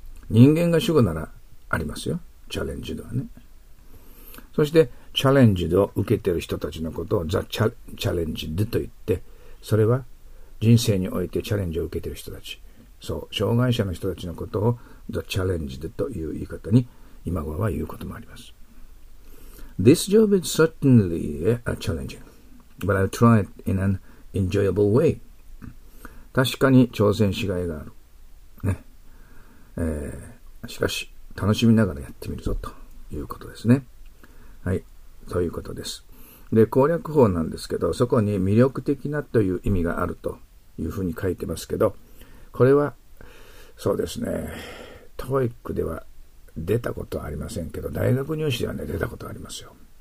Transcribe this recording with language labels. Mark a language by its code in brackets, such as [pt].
[ja] 人間が主語ならありますよ。チャレンジではね。そして、チャレンジを受けている人たちのことをザ・チャレンジと言って、それは人生においてチャレンジを受けている人たち。そう、障害者の人たちのことをザ・チャレンジという言い方に今頃は言うこともあります。 [en] This job is certainly a challenging, but I'll try it in an enjoyable way. [ja] 確かに挑戦しがいがある。ね。しかし、楽しみながらやってみるぞということですね。はい。ということです。で、攻略法なんですけど、そこに魅力的なという意味があるというふうに書いてますけど、これは、そうですね、TOEIC では出たことはありませんけど、大学入試ではね、出たことはありますよ。